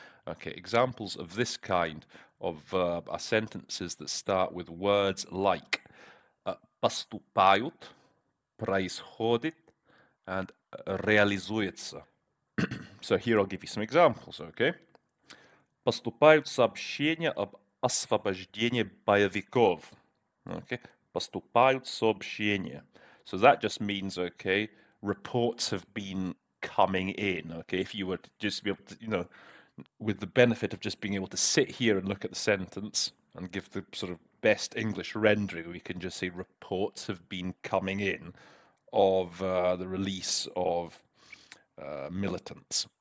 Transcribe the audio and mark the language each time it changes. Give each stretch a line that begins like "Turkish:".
English: Okay, examples of this kind of verb are sentences that start with words like
Russian: поступают, происходит,
English: and
Russian: реализуется.
English: So here I'll give you some examples, okay?
Russian: Поступают сообщения об освобождении боевиков. Okay, поступают сообщения.
English: So that just means, okay, reports have been coming in, okay? If you were to just be able to, you know, with the benefit of just being able to sit here and look at the sentence and give the sort of best English rendering, we can just say reports have been coming in of the release of militants.